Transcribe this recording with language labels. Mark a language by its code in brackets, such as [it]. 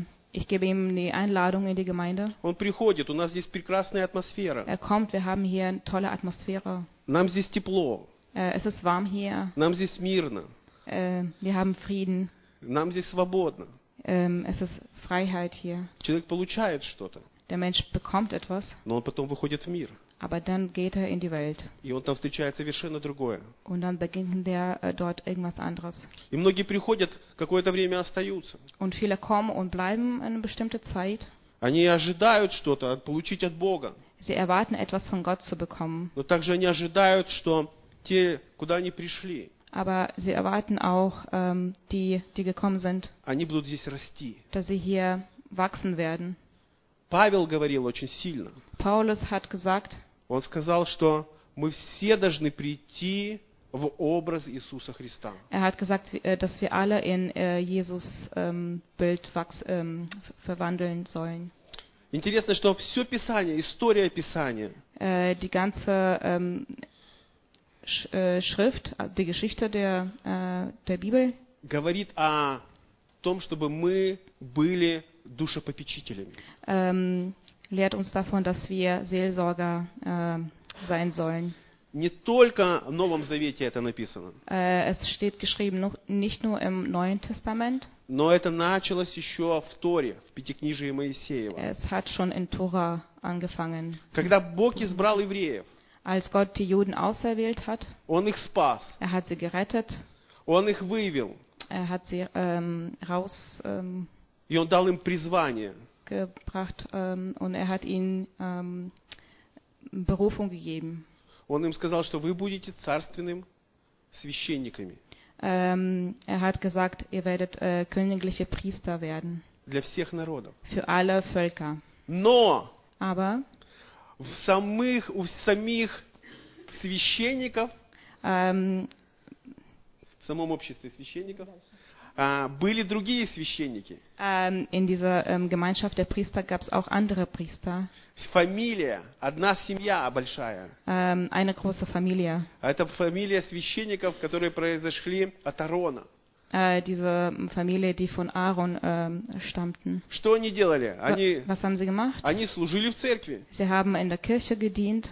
[de] Ich gebe ihm die Einladung in die Gemeinde. [ru] Он приходит, у нас здесь прекрасная атмосфера. [de] Er kommt, wir haben hier eine tolle Atmosphäre. [ru] Нам здесь тепло. [de] Es ist warm hier. [ru] Нам здесь мирно. [de] Wir haben Frieden. [ru] Нам здесь свободно. [de] Es ist Freiheit hier. [ru] Человек получает что-то. [de] Der Mensch bekommt etwas. [ru] Но он потом выходит в мир. [de] Aber dann geht er in die Welt. [ru] И он там встречает совершенно другое. [de] Und dann begegnet er dort irgendwas anderes. [ru] И многие приходят, какое-то время остаются. [de] Und viele kommen und bleiben eine bestimmte Zeit. [ru] Они ожидают что-то получить от Бога. [de] Sie erwarten etwas von Gott zu bekommen. [ru] Но также они ожидают, что те, куда они пришли. [de] Aber sie erwarten auch die gekommen sind, dass sie hier wachsen werden. [ru] Павел говорил очень сильно. [de] Paulus hat gesagt, [ru] он сказал, что мы все должны прийти в образ Иисуса Христа. [de] Er hat gesagt, dass wir alle in Jesus Bild verwandeln sollen. [ru] Интересно, что все Писание, история Писания, [de] die ganze Schrift, die Geschichte der Bibel, [ru] говорит о том, чтобы мы были душепопечителями. [de] Lehrt uns davon, dass wir Seelsorger sein sollen. [ru] Не только в Новом Завете это написано. [de] Es steht geschrieben, nicht nur im Neuen Testament. [ru] Но это началось еще в Торе, в Пятикнижии Моисеева. [de] Es hat schon in Tora angefangen. [ru] Когда Бог избрал евреев. [de] Als Gott die Juden auserwählt hat, [ru] он их спас. [de] Er hat sie gerettet. [ru] Он их вывел. [de] Er hat sie raus. [ru] И он дал им призвание. [de] Gebracht und er hat ihnen Berufung gegeben. [ru] Он им сказал, что вы будете царственным священниками. [de] Er hat gesagt, ihr werdet königliche Priester werden. [ru] Для всех народов. [de] Für alle Völker. [ru] Но. [de] Aber. [ru] У самих священников, в самом обществе священников, были другие священники. [de] In dieser Gemeinschaft der Priester gab es auch andere Priester. [ru] Фамилия, одна семья большая. [de] Eine große Familie. [ru] Это фамилия священников, которые произошли от Аарона. [de] Diese Familie, die von Aaron stammten. [ru] Что они делали? Они, [de] was haben sie gemacht? [ru] Они служили в церкви. [de] Sie haben in der Kirche gedient.